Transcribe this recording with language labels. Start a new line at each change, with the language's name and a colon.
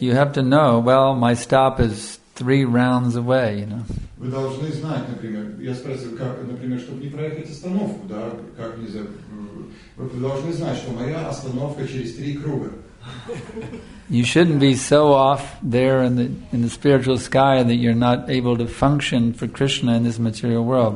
English: You have to know, well, my stop is 3 rounds away, you know.
Russian: Вы должны знать, например, я спросил, как, например, чтобы не проехать остановку, да, как не за... Вы должны знать, что моя остановка через 3 круга.
English: You shouldn't be so off there in the spiritual sky that you're not able to function for Krishna in this material world.